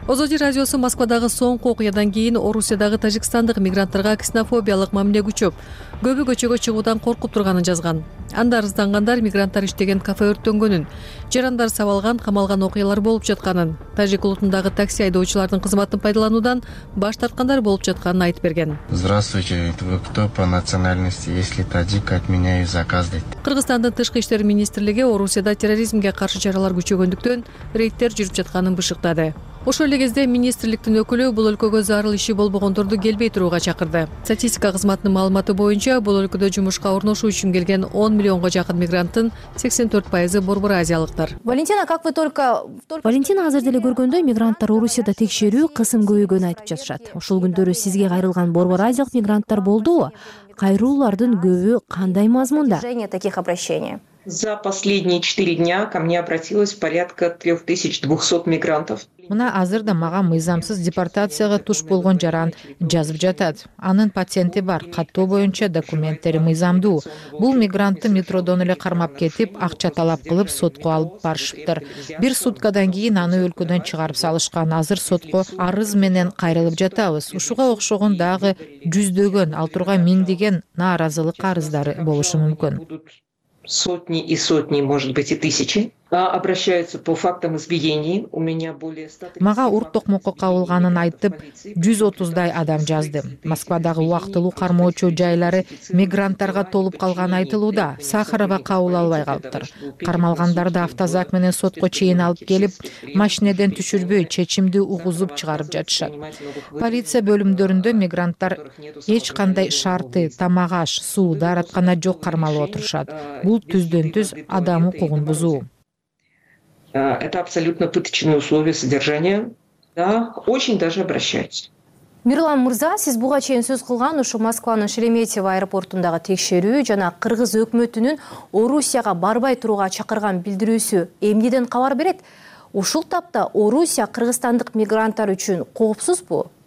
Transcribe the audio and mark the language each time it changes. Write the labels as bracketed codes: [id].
[ky] Озоди радиосу Москвадагы соңку окуядан кийин Орусиядагы тажикстандык мигранттарга ксенофобиялык мамиле күчөп, көбү көчөгө чыгуудан коркуп турганын жазган. Анда арызданганлар мигранттар иштеген кафе өрттөнгөнүн, жарандар сабалган, камалган окуялар болуп жатканын, тажик улутундагы такси айдоочулардын кызматын пайдалануудан баш тарткандар болуп жатканын айтып берген. [ru] Здравствуйте, вы кто по национальности? Если таджик, отменяю заказ [ky] дейт. Кыргызстандын тышкы иштер министрлиги Орусияда терроризмге каршы чаралар күчөгөндүктөн рейдтер жүрүп жатканын бышыктады. Ошол эле кезде министрликтин өкүлү бул өлкөгө зарыл иши болбогондорду келбей турууга чакырды. Статистика кызматынын маалыматы боюнча бул өлкөдө жумушка орношуу үчүн келген 10 миллионго жакын мигранттын 84% борбор азиялыктар. [ru] Валентина, как вы только [ky] Валентина азыр деле көргөндөй мигранттар Орусияда текшерүү кысым көйгөнү айтып жатышат. Ошол күндөрү сизге кайрылган борбор азиялык мигранттар болдубу? Кайрылуулардын көбү кандай мазмунда? [ru] За последние 4 дня ко мне обратилось порядка 3200 мигрантов. [ky] Мына азыр да мага мыйзамсыз депортацияга туш болгон жаран жазып жатат. Анын патенти бар, каттоо боюнча документтери мыйзамдуу. Бул мигрантты метродон эле кармап кетип, акча талап кылып сотко алып барышыптыр. Бир суткадан кийин аны өлкөдөн чыгарып салышкан. Азыр сотко арыз менен кайрылып жатабыз. Ушуга окшогон дагы жүздөгөн, ал турган миңдеген нааразылык арыздары болушу мүмкүн. [ru] Сотни и сотни, может быть, и тысячи. обращаются по фактам избиений. У меня более 100. [ky] Мага урттук мокук алганын айтып 130-дай адам жазды. Москвадагы уактылуу кармоочу жайлары мигранттарга толуп калганы айтылууда. Сахарова кабыл албай калыптыр. Кармалгандарды автозак менен сотко чейин алып келип, машинеден түшүрбөй чечимди угузуп чыгарып жатышат. Полиция бөлүмдөрүндө мигранттар эч кандай шарты, тамак аш, суу, дааратканада жок кармалып отурушат. Бул түздөн-түз адам укугун бузуу. [ru] Это абсолютно пыточные условия содержания. Да, очень даже обращаются. [ky] Мирлан Мурза, сиз буга чейин сөз кылган ушу Москванын Шереметьево аэропортундагы текшерүү жана кыргыз өкмөтүнүн Орусияга барбай турууга чакырган билдирүүсү эмнеден кабар берет? Ушул тапта Орусия кыргызстандык мигранттар үчүн коопсузбу?